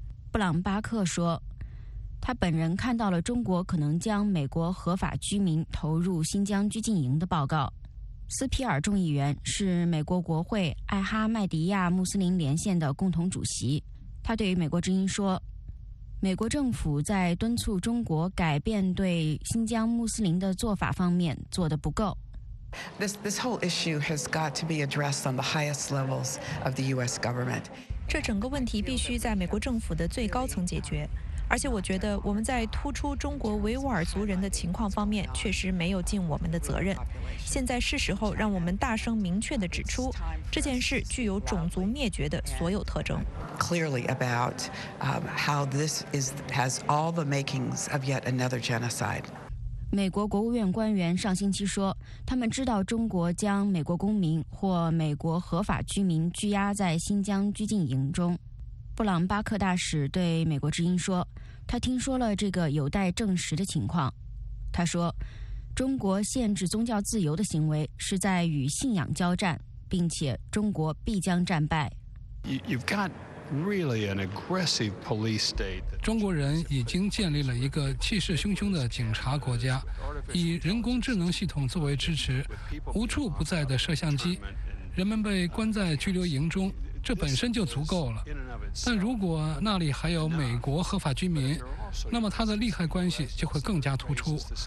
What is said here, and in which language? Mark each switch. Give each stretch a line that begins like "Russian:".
Chinese: 布朗巴克说，他本人看到了中国可能将美国合法居民投入新疆拘禁营的报告。斯皮尔众议员是美国国会艾哈迈迪亚穆斯林连线的共同主席。他对美国之音说，美国政府在敦促中国改变对新疆穆斯林的做法方面做得不够。
English: This whole issue has got to be addressed on the highest levels of the U.S. government.
Chinese: 这整个问题必须在美国政府的最高层解决，而且我觉得我们在突出中国维吾尔族人的情况方面确实没有尽我们的责任。现在是时候让我们大声明确地指出，这件事具有种族灭绝的所有特征。
English: Clearly about how this has all the makings of yet another genocide.
Chinese: 美国国务院官员上星期说，他们知道中国将美国公民或美国合法居民拘押在新疆拘禁营中。布朗巴克大使对美国之音说，他听说了这个有待证实的情况。他说，中国限制宗教自由的行为是在与信仰交战，并且中国必将战败。
English: You've got really an aggressive police state.
Chinese: 中国人已经建立了一个气势汹汹的警察国家，以人工智能系统作为支持，无处不在的摄像机，人们被关在拘留营中，这本身就足够了。但如果那里还有美国合法居民，那么它的利害关系就会更加突出。